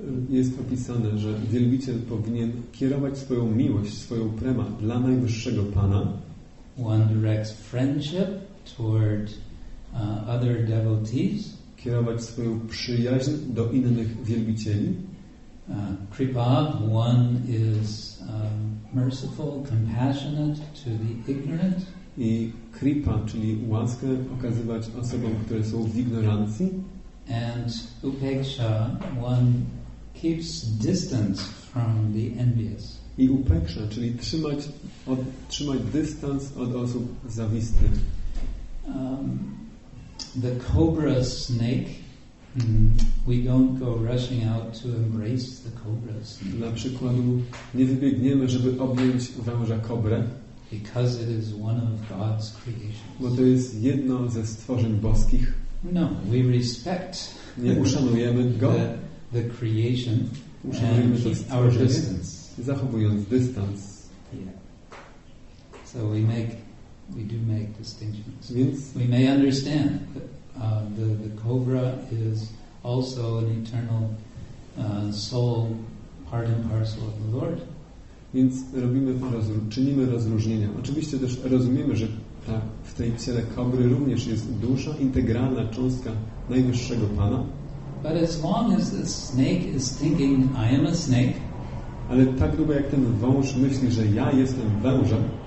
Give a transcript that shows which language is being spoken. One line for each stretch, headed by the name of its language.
Polish: Jest opisane, że wielbiciel powinien kierować swoją miłość, swoją prema dla najwyższego Pana.
English: One directs friendship toward other devotees.
Polish: kierować swoją przyjaźń do innych wielbicieli.
English: Kripa, one is merciful, compassionate to the ignorant.
Polish: I kripa, czyli łaskę okazywać osobom, które są w ignorancji.
English: And upeksha, one keeps distance from the envious.
Polish: I upeksha, czyli trzymać dystans od osób zawistnych.
English: The cobra snake, we don't go rushing out to embrace the cobra snake.
Polish: Dla przykładu, nie wybiegniemy, żeby objąć węża kobrę.
English: Because it is one of God's creations.
Polish: Bo to jest jedno ze stworzeń boskich.
English: No, we respect.
Polish: Nie uszanujemy go.
English: The creation.
Polish: Uszanujemy to stworzenie, zachowując dystans.
English: Yeah. So we do make distinctions. We may understand that the cobra is also an eternal soul, part and parcel of the Lord.
Polish: Więc czynimy rozróżnienia. Oczywiście też rozumiemy, że w tej ciele kobry również jest dusza, integralna cząstka najwyższego Pana.
English: But as long as the snake is thinking I am a snake,
Polish: ale tak długo jak ten wąż myśli, że ja jestem wężem,